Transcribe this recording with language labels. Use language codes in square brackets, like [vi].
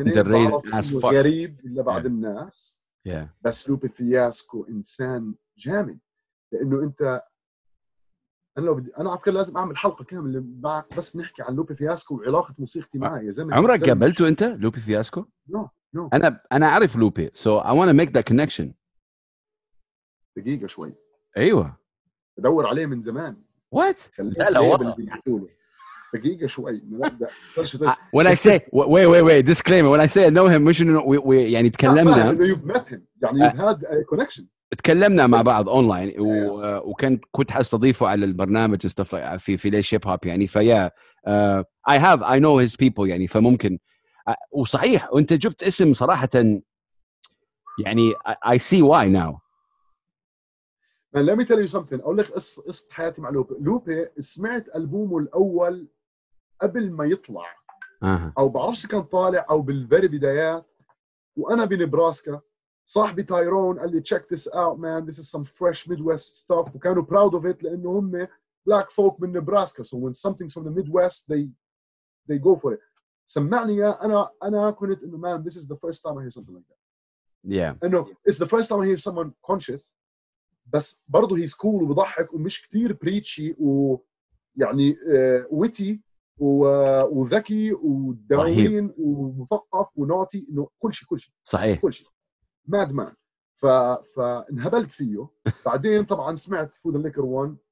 [en] underrated as fuck. [ar] قريب إلا بعض [en] yeah. [ar] الناس. [en] Yeah. [ar] بس لوبي فياسكو إنسان جامد لأنه أنت أنا لو بدي أنا عفوا لازم أعمل حلقة كاملة بس نحكي عن لوبي فياسكو وعلاقة موسيقتي معه يا زلمة. عمرك قابلته أنت لوبي فياسكو؟ [en] No. [ar] أنا أعرف لوبي [en] so I wanna make that connection. [ar] دقيقة شوي. أيوة. بدور عليه من زمان. [en] What؟ [ar] لا لا والله. دقيقة شوي. [en] When I say wait disclaimer when I say I know him [ar] مش إنه [en] we [ar] يعني تكلمنا. [en] You've met him يعني you've had a connection. [ar] تكلمنا مع بعض أونلاين وكنت حستضيفه على البرنامج في ليش هيب هوب يعني فيا [en] I have I know his people [ar] يعني فممكن وصحيح وأنت جبت اسم صراحة يعني [en] I see why now. Man, let me tell you something. [ar] أقول لك قصة حياتي مع لوبي. لوبي سمعت ألبومه الأول قبل ما يطلع أو بعرفش كان طالع أو بالفيري بدايات وأنا بنبراسكا صاحبي تايرون قال لي [en] check this out man this is some fresh Midwest stuff [ar] وكانوا [en] proud of it [ar] لأنه هم [en] black folk [ar] من نبراسكا [en] so when something's from the Midwest they go for it. [ar] سمعني يا أنا كنت إنه [en] man this is the first time I hear something like that. Yeah. [ar] إنه [en] it's the first time I hear someone conscious. [ar] بس برضو [en] he's cool [ar] وبضحك ومش كتير [en] preachy [ar] ويعني [en] witty [ar] وذكي ودارين ومثقف وناطي إنه كل شيء. صحيح. كل شيء. ماد مان فانهبلت فيه بعدين طبعا سمعت فود الليكر وان